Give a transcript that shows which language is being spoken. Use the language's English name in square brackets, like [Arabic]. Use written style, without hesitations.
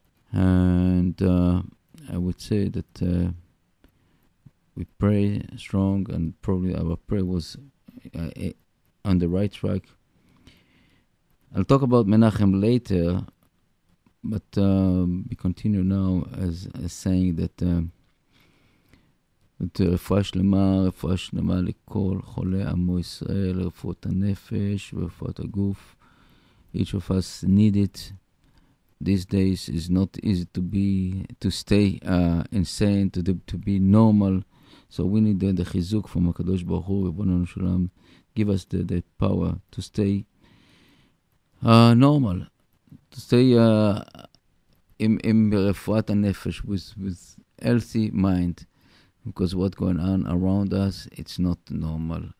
[English] And I would say that we pray strong, and probably our prayer was on the right track. I'll talk about Menachem later, but we continue now as saying that [Hebrew] רפואה שלמה, רפואה שלמה לכל חולי עמו ישראל, רפואת הנפש ורפואת הגוף. [English] Each of us need it. These days is not easy to be, to stay insane, to be normal. So we need the chizuk from HaKadosh Baruch Hu, Rebbeinu Shalom. Give us the power to stay normal, to stay in refuat ha-nefesh, with healthy mind, because what's going on around us, it's not normal.